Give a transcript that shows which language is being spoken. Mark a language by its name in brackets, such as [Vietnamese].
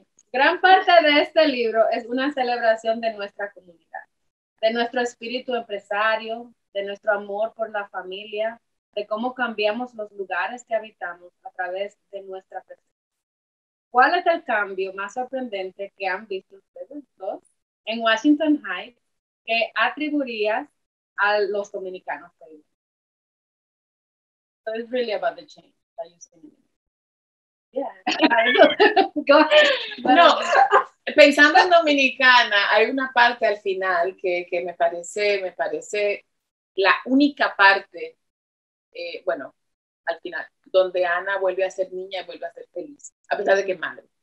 [Spanish] Gran parte de este libro es una celebración de nuestra comunidad, de nuestro espíritu empresario, de nuestro amor por la familia, de cómo cambiamos los lugares que habitamos a través de nuestra presencia. ¿Cuál es el cambio más sorprendente que han visto ustedes dos en Washington Heights que atribuirías a los dominicanos? [English] So it's really about the change that you see. [Spanish] No, pensando en dominicana, hay una parte al final que me parece la única parte, bueno, al final, donde Ana vuelve a ser niña y vuelve a ser feliz, a pesar de que es madre.